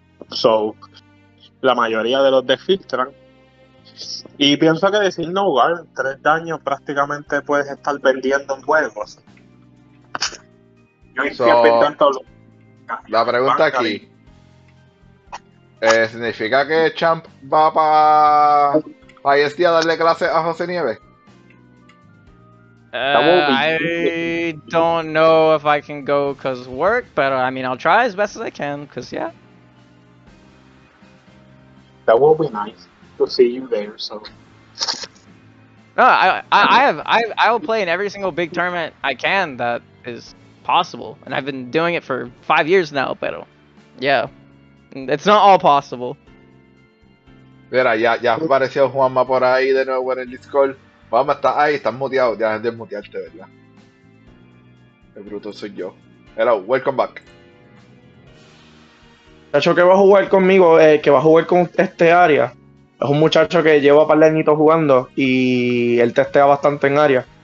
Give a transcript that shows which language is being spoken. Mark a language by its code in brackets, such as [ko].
[es] So, la mayoría de los decks filtran. Y pienso que decir no guard, tres daños prácticamente puedes estar vendiendo en juegos. Yo siempre intento... La pregunta Bancari. Aquí. ¿Significa que Champ va para IST a darle clase a José Nieves? [en] I don't know if I can go because work, but I mean, I'll try as best as I can, because, yeah. That will be nice to see you there, so... No, I will play in every single big tournament I can that is possible, and I've been doing it for 5 years now, pero yeah, it's not all possible. [es] Mira, ya apareció Juanma por ahí de nuevo en el Discord. Juanma está ahí, está muteado, ya es desmutearte, ¿verdad? El bruto soy yo. [en] Hello, welcome back. [es] Muchacho que va a jugar conmigo, que va a jugar con este área, es un muchacho que lleva un par de añitos jugando y él testea bastante en área.